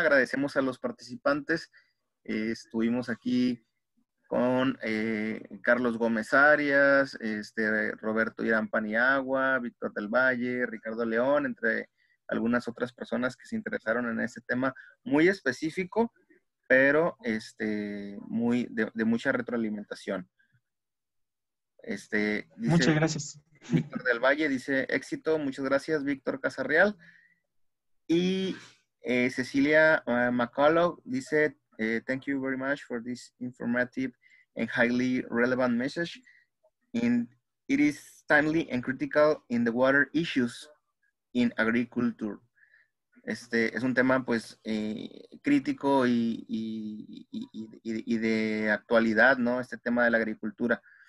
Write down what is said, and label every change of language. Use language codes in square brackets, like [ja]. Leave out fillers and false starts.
[es] Agradecemos a los participantes. Estuvimos aquí con Carlos Gómez Arias, Roberto Irán Paniagua, Víctor del Valle, Ricardo León, entre algunas otras personas que se interesaron en este tema muy específico, pero muy de mucha retroalimentación. Dice, muchas gracias. Víctor del Valle dice, éxito. Muchas gracias, Víctor Casarreal. Y Cecilia McCullough dice, [en] thank you very much for this informative and highly relevant message. It is timely and critical in the water issues in agriculture. [es] Este es un tema, pues, crítico y de actualidad, ¿no? Este tema de la agricultura.